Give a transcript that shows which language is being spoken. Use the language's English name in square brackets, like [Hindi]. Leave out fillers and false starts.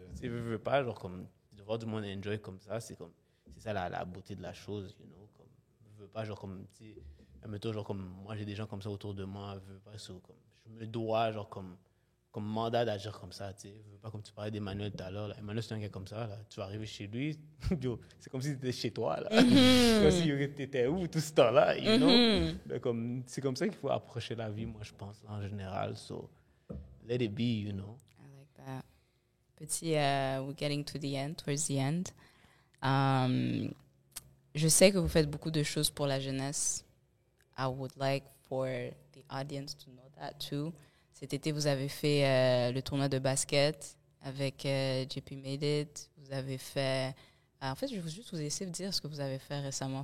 [French] Si tu veux pas, genre comme de voir du monde enjoy comme ça, c'est comme, c'est ça la beauté de la chose, [English] you know, [French] comme je veux pas, genre comme, tu sais, mettons, genre comme moi j'ai des gens comme ça autour de moi, je veux pas, so comme je me dois, genre comme, comme mandat d'agir comme ça, tu sais. Pas comme tu parlais d'Emmanuel tout à l'heure. Là. Emmanuel, c'est un gars comme ça. Là. Tu vas arriver chez lui, yo, c'est comme si tu étais chez toi. Là. Comme si tu étais où tout ce temps-là, [English] you know? [French] Mais comme, c'est comme ça qu'il faut approcher la vie, moi, je pense, en général. [English] So, let it be, you know. I like that. Petit, we're getting to the end, towards the end. [French] Je sais que vous faites beaucoup de choses pour la jeunesse. [English] I would like for the audience to know that too. [French] Cet été, vous avez fait le tournoi de basket avec JP Made It. Vous avez fait... En fait, je vais juste vous laisser dire ce que vous avez fait récemment.